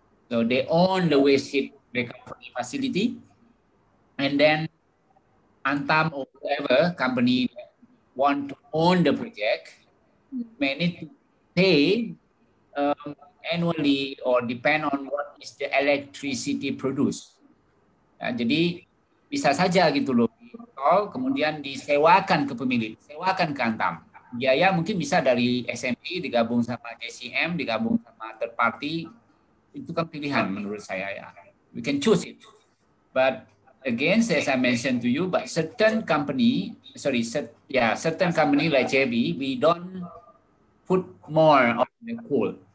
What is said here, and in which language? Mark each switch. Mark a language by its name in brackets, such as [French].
[English] So they own the waste heat recovery facility. And then Antam or whatever company want to own the project, may need to pay annually or depend on what is the electricity produced. [Indonesian] Nah, jadi bisa saja gitu loh, tol kemudian disewakan ke pemilik, sewakan ke Antam. Biaya mungkin bisa dari SMI digabung sama JCM, digabung sama third party, itu kan pilihan menurut saya ya. [English] We can choose it. But again, as I mentioned to you, but certain company like JFE, we don't put more on the coal.